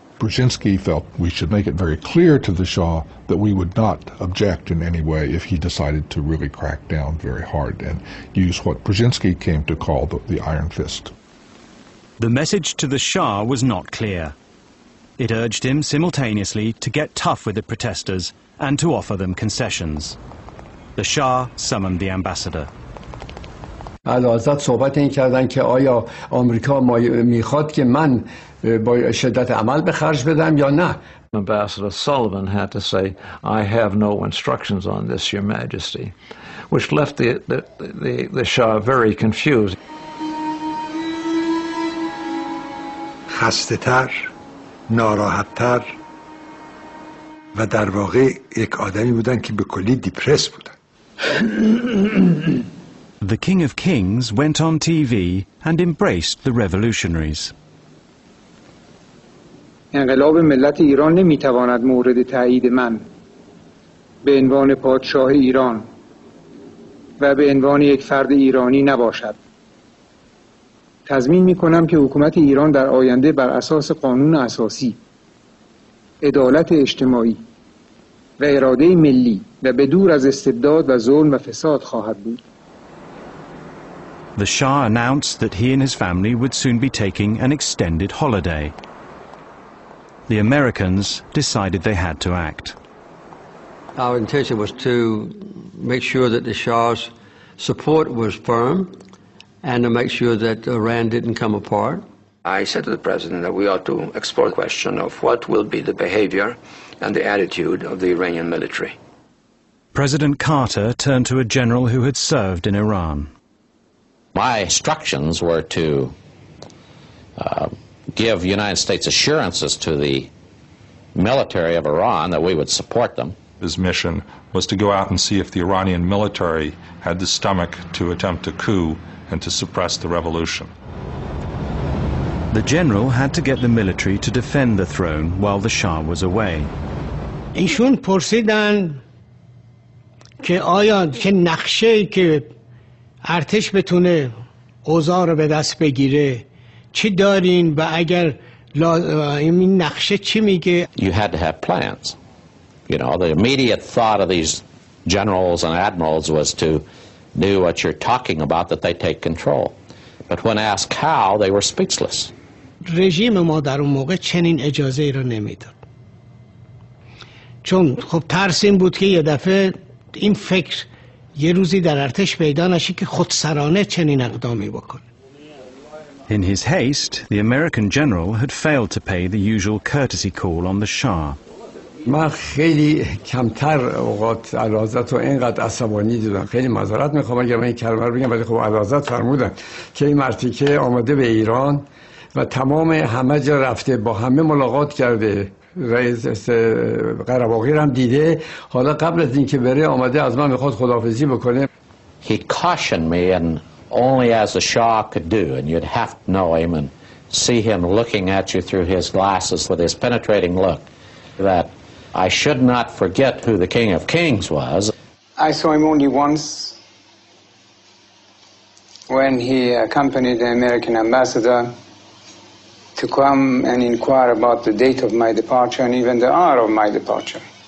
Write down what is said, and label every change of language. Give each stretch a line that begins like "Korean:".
English: Brzezinski felt we should make it very clear to the Shah that we would not object in any way if he decided to really crack down very hard and use what Brzezinski came to call the iron fist. The message to the Shah was not clear. It urged him simultaneously to get tough with the protesters and to offer them concessions. The Shah summoned the ambassador.
Persian: علازت صحبت این کردن که آیا آمریکا میخواد که من با شدت عمل به خرج بدم یا نه.
English: Ambassador Sullivan had to say, I have no instructions on this, Your Majesty, which left the Shah very confused.
Persian: خسته تر، ناراحت تر و در واقع یک آدمی بودن که به کلی دیپرس بودن.
English: The King of Kings went on TV and embraced the revolutionaries.
Persian: انقلاب ملت ایران نمیتواند مورد تایید من به عنوان پادشاه ایران و به عنوان یک فرد ایرانی نباشد. تضمین میکنم که حکومت ایران در آینده بر اساس قانون اساسی، عدالت اجتماعی و اراده ملی و به دور از استبداد و ظلم و فساد خواهد بود.
English: The Shah announced that he and his family would soon be taking an extended holiday. The Americans decided they had to act. Our intention was to make sure that the Shah's support was firm and to make sure that Iran didn't come apart. I said to the president that we ought to explore the question of what will be the behavior and the attitude of the Iranian military. President Carter turned to a general who had served in Iran. My instructions were to give United States assurances to the military of Iran that we would support them. His mission was to go out and see if the Iranian military had the stomach to attempt a coup and to suppress the revolution. The general had to get the military to defend the throne while the Shah was away.
Persian: ایشون پرسیدن که آیا که نقشه که ارتش بتونه اوضاع رو به دست بگیره چی دارین و اگر این نقشه چی میگه.
English: You had to have plans. You know, the immediate thought of these generals and admirals was to do what you're talking about, that they take control. But when asked how, they were speechless.
Persian: رژیم ما در اون موقع چنین اجازه ای را نمیداد. چون خب ترس این بود که یه دفعه این فکر یه روزی در ارتش پیدا نشه که خودسرانه چنین اقدامی بکنه.
English: In his haste, the American general had failed to pay the usual courtesy call on the Shah.
Persian: من خیلی کمتر اوقات علازت و اینقدر عصبانی دیدم. خیلی معذرت میخوام اگر من این کلمه رو بگم، ولی خب علازت فرمودن که این مردی که آمده به ایران و تمام همه جا رفته، با همه ملاقات کرده، رئیس قره‌باغی هم دیده، حالا قبل از اینکه بره آمده از من میخواد خداحافظی بکنه.
English: He cautioned me and only as the Shah could do, and you'd have to know him and see him looking at you through his glasses with his penetrating look, that I should not forget who the King of Kings was. I saw him only once when he accompanied the American ambassador to come and inquire about the date of my departure and even the hour of my departure.